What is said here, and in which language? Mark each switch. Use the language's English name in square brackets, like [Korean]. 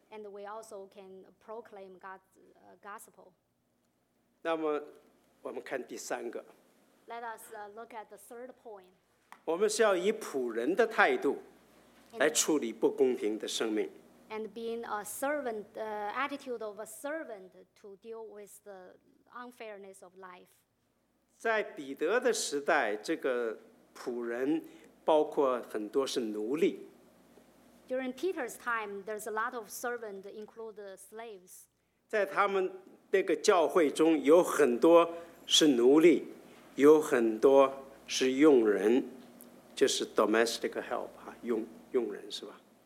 [English] And we also can proclaim God's gospel. [Chinese] 那么我们看第三个。 [English] Let us look at the third point. [Chinese] 我们是要以仆人的态度来处理不公平的生命。 [English] And being a servant, the attitude of a servant to deal with the unfairness of life. [Chinese] 在彼得的时代，这个仆人包括很多是奴隶。 [English] During Peter's time, there's a lot of servants, including slaves. [Chinese] 在他们那个教会中，有很多是奴隶，有很多是佣人，就是 domestic help 啊，佣人是吧？